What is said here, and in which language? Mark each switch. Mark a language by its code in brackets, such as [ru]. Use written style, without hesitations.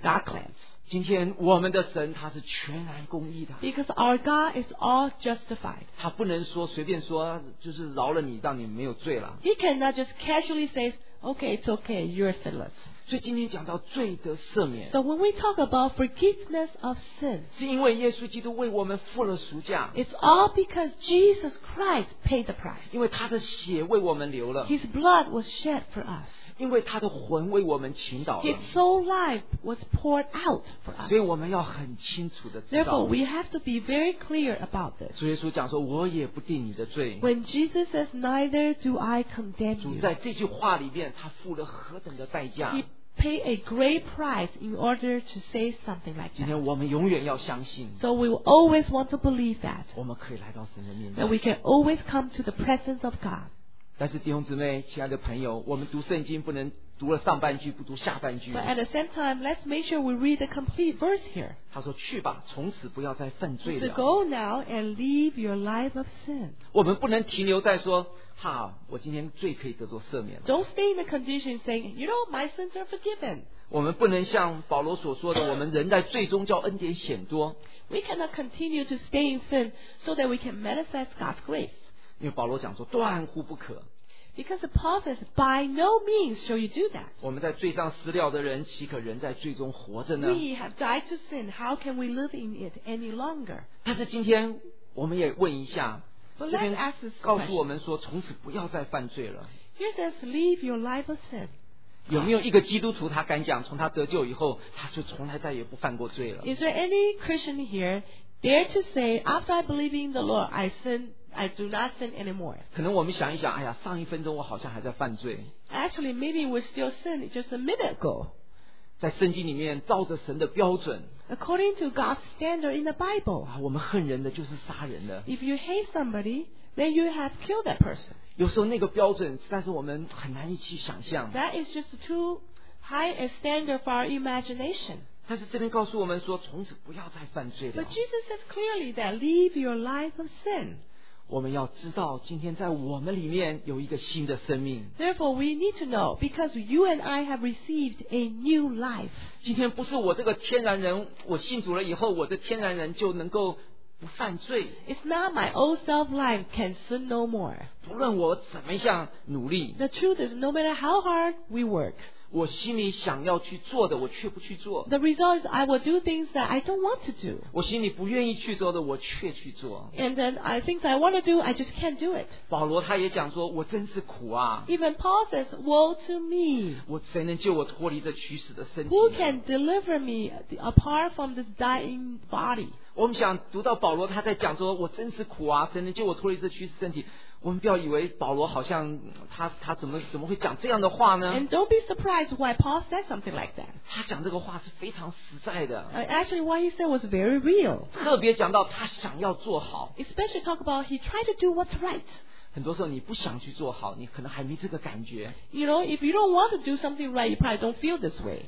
[en] God claims. [zh] 今天我们的神他是全然公义的 [en] Because our God is all justified [zh] 他不能说随便说就是饶了你让你没有罪了 [en] He cannot just casually say Okay, it's okay, you're sinless [zh] 所以今天讲到罪的赦免 [en] So when we talk about forgiveness of sin [zh] 是因为耶稣基督为我们付了赎价 [en] It's all because Jesus Christ paid the price [zh] 因为他的血为我们流了 [en] His blood was shed for us [zh] 因为他的魂为我们倾倒了 [en] His soul life was poured out for us [zh] 所以我们要很清楚的知道 [en] Therefore we have to be very clear about this [zh] 主耶稣讲说我也不定你的罪 [en] When Jesus says neither do I condemn you [zh] 主在这句话里面他付了何等的代价 [en] He paid a great price in order to say something like that [zh] 今天我们永远要相信 [en] So we will always want to believe that [zh] 我们可以来到神的面前 [en] That we can always come to the presence of God [zh] 但是弟兄姊妹亲爱的朋友我们读圣经不能读了上半句不读下半句 [en] But at the same time let's make sure we read the complete verse here [zh] 他说去吧从此不要再犯罪了 [en] So go now and leave your life of sin [zh] 我们不能停留在说哈我今天罪可以得到赦免了 [en] Don't stay in the condition saying you know my sins are forgiven [zh] 我们不能像保罗所说的我们人在罪中叫恩典显多 [en] We cannot continue to stay in sin so that we can manifest God's grace [zh] 因为保罗讲说断乎不可 [en] Because Paul says By no means shall you do that [zh] 我们在罪上死了的人岂可仍在罪中活着呢 [en] We have died to sin How can we live in it any longer [zh] 但是今天我们也问一下 [en] But let's ask this question [zh] 告诉我们说从此不要再犯罪了 [en] Here says leave your life of sin [zh] 有没有一个基督徒他敢讲从他得救以后他就从来再也不犯过罪了？ [en] Is there any Christian here dare to say after I believe in the Lord I sin, I do not sin anymore? [zh] 可能我们想一想，哎呀，上一分钟我好像还在犯罪。 [en] Actually maybe we still sin just a minute ago. [zh] 在圣经里面照着神的标准， [en] According to God's standard in the Bible、 [zh] 啊、我们恨人的就是杀人的。 [en] If you hate somebody then you have killed that person. [zh] 有时候那个标准实在是我们很难一起想象。 [en] That is just too high a standard for our imagination. [zh] 但是这边告诉我们说从此不要再犯罪了。 [en] But Jesus says clearly that leave your life of sin. [zh] 我们要知道今天在我们里面有一个新的生命。 [en] Therefore we need to know because you and I have received a new life. [zh] 今天不是我这个天然人，我信主了以后我的天然人就能够不犯罪。 [en] It's not my old self life can sin no more. [zh] 不论我怎么样努力， [en] The truth is no matter how hard we work, [zh] 我心里想要去做的我却不去做， [en] The result is I will do things that I don't want to do. [zh] 我心里不愿意去做的我却去做， [en] And then I think that I want to do, I just can't do it. [zh] 保罗他也讲说我真是苦啊， [en] Even Paul says woe to me. [zh] 我谁能救我脱离这取死的身体？ [en] Who can deliver me apart from this dying body? [zh] 我们想读到保罗他在讲说我真是苦啊，谁能救我脱离这躯体身体，我们不要以为保罗好像 他怎么会讲这样的话呢。 [en] And don't be surprised why Paul said something like that. [zh] 他讲这个话是非常实在的。 [en] Actually what he said was very real. [zh] 特别讲到他想要做好。 [en] Especially talk about he tried to do what's right. [zh] 很多时候你不想去做好，你可能还没这个感觉。 [en] You know if you don't want to do something right you probably don't feel this way.